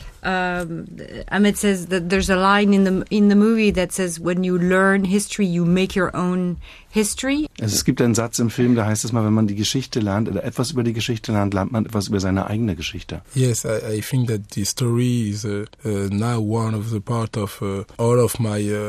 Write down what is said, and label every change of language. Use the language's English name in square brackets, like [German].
[English] Amit says that there's a line in the movie that says, when you learn history, you make your own history. [German] Also, es gibt einen Satz im Film, da heißt es mal, wenn man die Geschichte lernt oder etwas über die Geschichte lernt, lernt man etwas über seine eigene Geschichte. [English] Yes, I think that the story is now one of the part of all of my